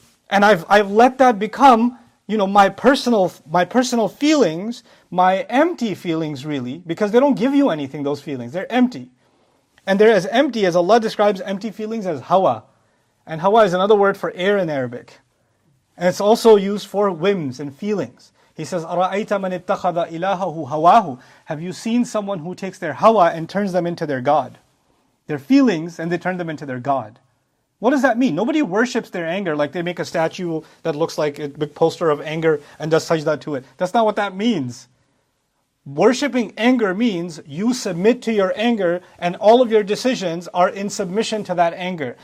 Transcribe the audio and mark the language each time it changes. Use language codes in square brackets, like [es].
[en] And I've let that become, you know, my personal feelings, my empty feelings really, because they don't give you anything, those feelings. They're empty. And they're as empty as Allah describes empty feelings as hawa. And hawa is another word for air in Arabic. And it's also used for whims and feelings. He says, [ar] أَرَأَيْتَ مَنِ اتَّخَذَ إِلَاهَهُ هَوَاهُ. [en] Have you seen someone who takes their hawa and turns them into their God? Their feelings, and they turn them into their God. What does that mean? Nobody worships their anger like they make a statue that looks like a big poster of anger and does sajda to it. That's not what that means. Worshipping anger means you submit to your anger and all of your decisions are in submission to that anger.